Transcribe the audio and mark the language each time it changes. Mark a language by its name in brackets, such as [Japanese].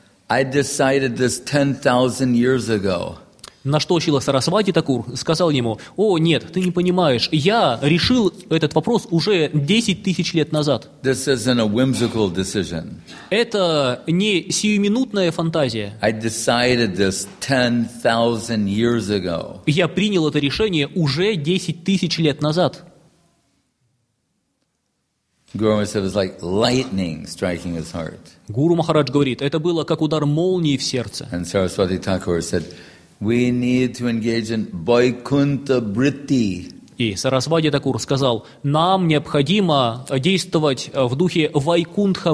[English] I decided this 10,000 years ago. [Russian] На что Шрила Сарасвати Такур сказал ему, «О, нет, ты не понимаешь, я решил этот вопрос уже 10 тысяч лет назад». [English] This isn't a whimsical decision. [Russian] Это не сиюминутная фантазия. [English] I decided this 10,000 years ago. [Russian] Я принял это решение уже 10 тысяч лет назад. [English] Guru Maharaj said it was like lightning striking his heart. [Russian] Гуру Махарадж говорит, это было как удар молнии в сердце. [English] And Saraswati Thakur said, we need to engage in Vaikuntha Vritti. [Russian] И Сарасвати Такур сказал, нам необходимо действовать в духе Вайкунтха